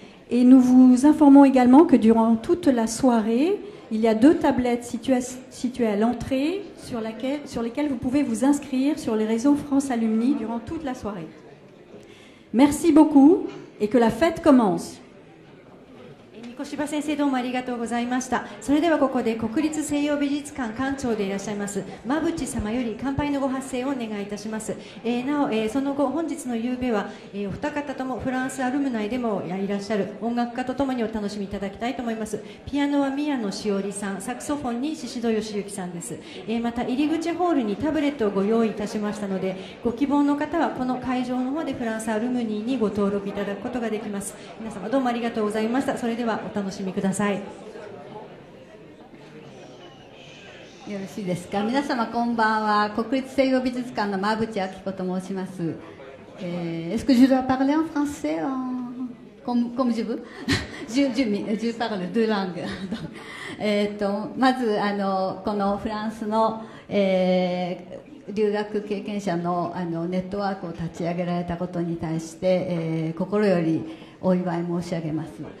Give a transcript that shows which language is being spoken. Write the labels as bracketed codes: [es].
[fr] Et nous vous informons également que durant toute la soirée, il y a deux tablettes situées à l'entrée sur lesquelles vous pouvez vous inscrire sur les réseaux France Alumni durant toute la soirée. Merci beaucoup et que la fête commence. [ja] Mikoshiba 先生どうもありがとうございました。それではここで国立西洋美術館館長でいらっしゃいます真淵様より乾杯のご発声をお願いいたします。なお、その後本日の夕べは、お二方ともフランスアルムナイでもいらっしゃる音楽家とともにお楽しみいただきたいと思います。ピアノは宮野しおりさん、サクソフォンに宍戸義行さんです。また入り口ホールにタブレットをご用意いたしましたので、ご希望の方はこの会場の方でフランスアルムニーにご登録いただくことができます。皆様どうもありがとうございました。それではお楽しみください。よろしいですか。皆様こんばんは。国立西洋美術館の真淵明子と申します。 [fr] Est-ce que je dois parler en français comme je veux? Je parle deux langues. [ja] まずこのフランスの、留学経験者 のネットワークを立ち上げられたことに対して、心よりお祝い申し上げます。